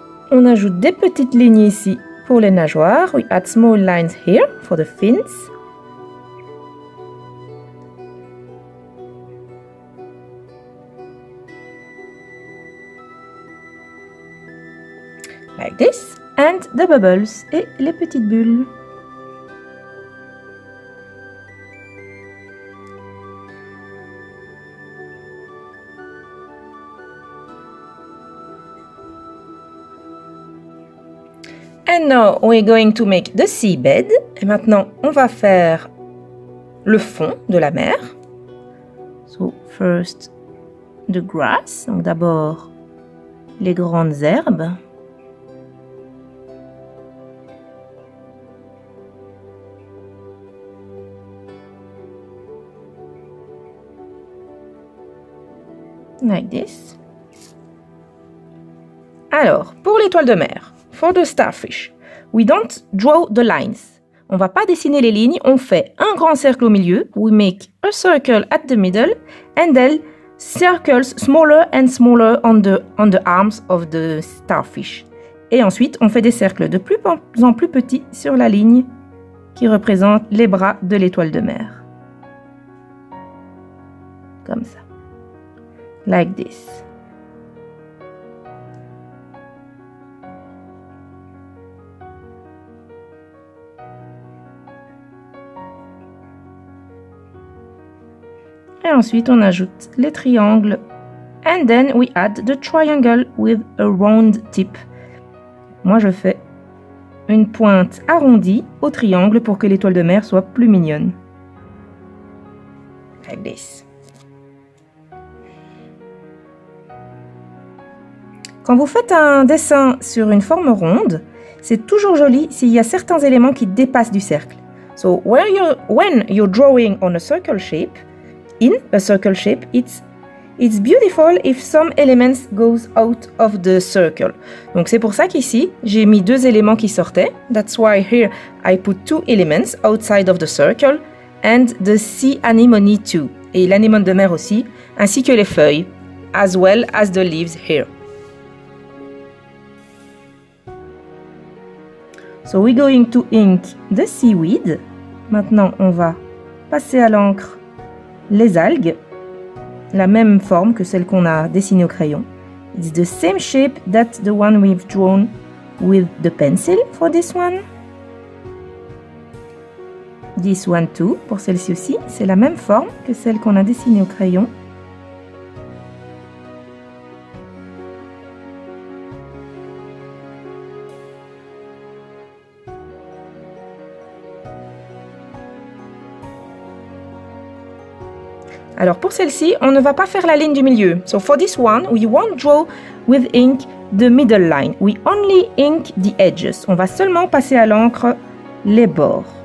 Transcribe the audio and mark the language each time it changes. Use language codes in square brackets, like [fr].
[fr] On ajoute des petites lignes ici pour les nageoires. [en] We add small lines here for the fins. Like this. And the bubbles [fr] et les petites bulles. [en] And now we're going to make the seabed. [fr] Et maintenant, on va faire le fond de la mer. [en] So first, the grass. [fr] Donc d'abord, les grandes herbes. [en] Like this. [fr] Alors, pour l'étoile de mer. [en] For the starfish, we don't draw the lines. [fr] On va pas dessiner les lignes, on fait un grand cercle au milieu. [en] We make a circle at the middle and then circles smaller and smaller on the arms of the starfish. [fr] Et ensuite, on fait des cercles de plus en plus petits sur la ligne qui représente les bras de l'étoile de mer. Comme ça. [en] Like this. [fr] Et ensuite, on ajoute les triangles. [en] And then we add the triangle with a round tip. [fr] Moi, je fais une pointe arrondie au triangle pour que l'étoile de mer soit plus mignonne. [en] Like this. [fr] Quand vous faites un dessin sur une forme ronde, c'est toujours joli s'il y a certains éléments qui dépassent du cercle. [en] So, when you're drawing on a circle shape, in a circle shape, it's beautiful if some elements goes out of the circle. [fr] Donc c'est pour ça qu'ici, j'ai mis deux éléments qui sortaient. [en] That's why here I put two elements outside of the circle and the sea anemone too. [fr] Et l'anémone de mer aussi, ainsi que les feuilles, [en] as well as the leaves here. So we're going to ink the seaweed. [fr] Maintenant, on va passer à l'encre. Les algues, la même forme que celle qu'on a dessinée au crayon. [en] It's the same shape that the one we've drawn with the pencil for this one. This one too, [fr] pour celle-ci aussi, c'est la même forme que celle qu'on a dessinée au crayon. Alors pour celle-ci, on ne va pas faire la ligne du milieu. [en] So for this one, we won't draw with ink the middle line. We only ink the edges. [fr] On va seulement passer à l'encre les bords.